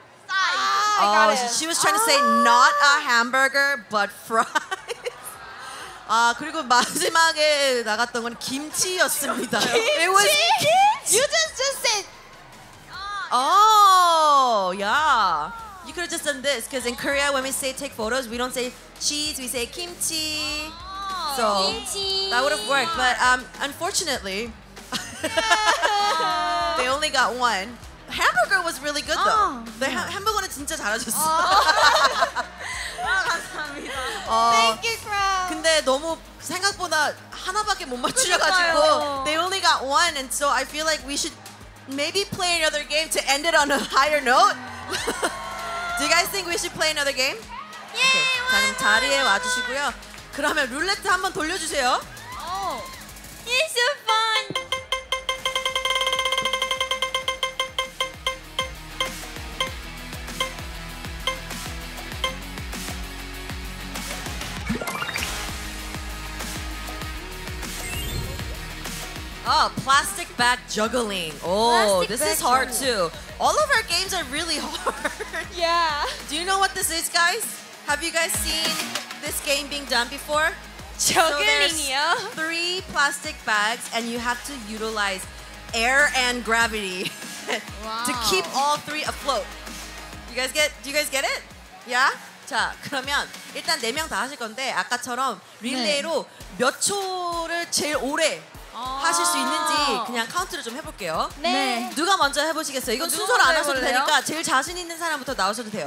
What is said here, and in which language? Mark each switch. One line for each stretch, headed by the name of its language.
English: Oh, she was trying to say not a hamburger, but fries.
Korean: 아 그리고 마지막에 나갔던 건 김치였습니다. 김치?
English: It was kimchi. You just said. Oh, yeah. You could have just done this because in Korea when we say take photos, we don't say cheese, we say kimchi. So kimchi. That would have worked, but unfortunately, they only got one. Hamburger was really good though. The
Korean: 햄버거는 진짜 잘하셨어. 감사합니다.
English: Thank you, crowd.
Korean: 근데 너무 생각보다 하나밖에 못 맞추려가지고
English: They only got one, and so I feel like we should maybe play another game to end it on a higher note. Do you guys think we should play another game? Yeah. Okay.
Korean: 그럼 자리에 와주시고요. 그러면 룰렛 한번 돌려주세요.
English: Oh, it's so fun. Oh, plastic bag juggling. Oh, plastic this is hard too. All of our games are really hard. Yeah. Do you know what this is, guys? Have you guys seen this game being done before? Juggling요? So there's three plastic bags and you have to utilize air and gravity to keep all three afloat. Do you guys get it? Yeah?
Korean: 자, 그러면 일단 네 명 다 하실 건데 아까처럼 릴레이로 네. 몇 초를 제일 오래 하실 수 있는지 그냥 카운트를 좀 해볼게요. 네. 누가 먼저 해보시겠어요? 이건 순서를 안 하셔도 해볼래요? 되니까 제일 자신 있는 사람부터 나오셔도 돼요.